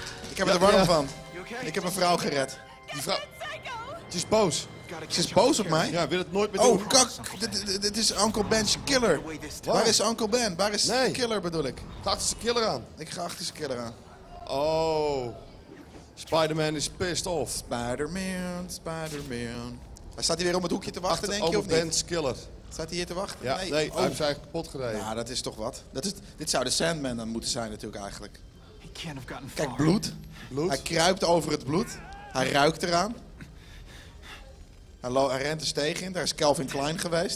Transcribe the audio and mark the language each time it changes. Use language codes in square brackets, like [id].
[nl] Ik heb er warm van. Okay? Ik heb een vrouw gered. Die vrouw. Ze is boos. Ze is boos op mij? Ja, wil het nooit meer oh, doen. Oh, kak! Dit is Uncle Ben's killer. Waar is Uncle Ben? Waar is de killer, bedoel ik? Ga achter zijn killer aan. Ik ga achter zijn killer aan. Oh. [en] Spider-Man is pissed off. Spider-Man. [nl] Maar staat hij weer om het hoekje te wachten, achter denk je, of [en] Ben's [nl] niet? [en] Uncle Ben's killer. [nl] Staat hij hier te wachten? Ja, nee. Oh. Hij is eigenlijk kapot gereden. Nou, dat is toch wat. Dit zou de Sandman dan moeten zijn natuurlijk eigenlijk. Kijk, bloed. Hij kruipt over het bloed. Hij ruikt eraan. Hij rent er tegen in, daar is Calvin Klein geweest.